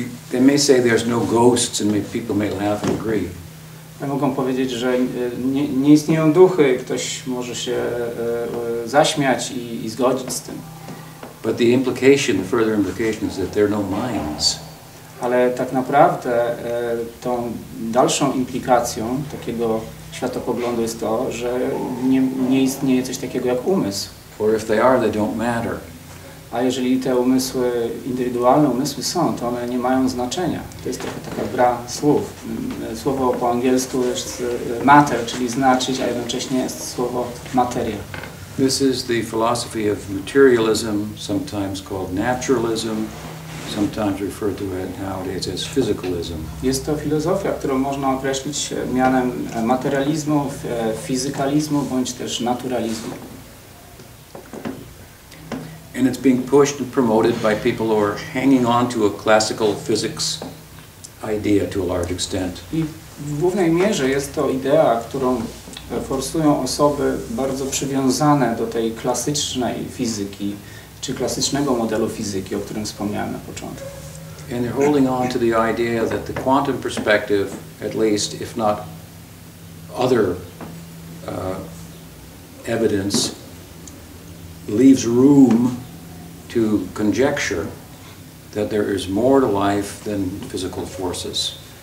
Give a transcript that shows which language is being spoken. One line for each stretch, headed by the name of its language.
English: They may say there's no ghosts, and people may laugh and agree.
Polish: They mogą powiedzieć, że nie istnieją duchy. Ktoś może się zaśmiać i zgodzić z tym.
English: But the implication, the further implication, is that there are no minds.
Polish: Ale tak naprawdę tą dalszą implikacją takiego światopoglądu jest to, że nie istnieje coś takiego jak umysł.
English: Or if they are, they don't matter.
Polish: A jeżeli te umysły, indywidualne umysły są, to one nie mają znaczenia. To jest trochę taka gra słów. Słowo po angielsku jest matter, czyli znaczyć, a jednocześnie jest słowo materia.
English: This is the philosophy of materialism, sometimes called naturalism, sometimes referred to it nowadays as physicalism.
Polish: Jest to filozofia, którą można określić mianem materializmu, fizykalizmu bądź też naturalizmu.
English: And it's being pushed and promoted by people who are hanging on to a classical physics idea to a large extent.
Polish: I w głównej mierze jest to idea, którą forsują osoby bardzo przywiązane do tej klasycznej fizyki, czy klasycznego modelu fizyki, o którym wspomniałem na początku.
English: And they're holding on to the idea that the quantum perspective, at least, if not other evidence, leaves room to conjecture that there is more to life than physical forces.